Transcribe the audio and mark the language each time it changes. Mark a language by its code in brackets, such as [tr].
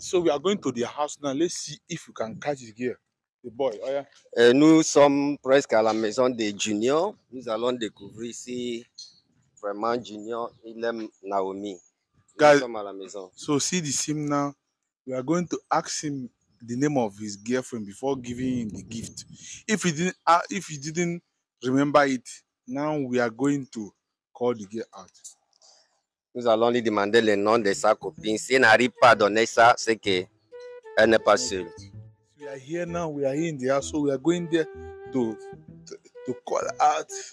[en] So we are going to the house now. Let's see if you can catch the girl. The boy. Oh yeah. [fr] Nous sommes presque à la maison de Junior. Nous allons découvrir si vraiment Junior, il aime Naomi. [en] Guys, [fr] à la maison. [en] So see the sim now. We are going to ask him the name of his girlfriend before giving him the gift. If he didn't remember it, now we are going to call the girl out. [fr] Nous allons lui demander le nom de sa copine. Si elle n'arrive pas à donner ça, c'est qu'elle n'est pas seule. [en] We are here now. We are here in the house. So we are going there to call out.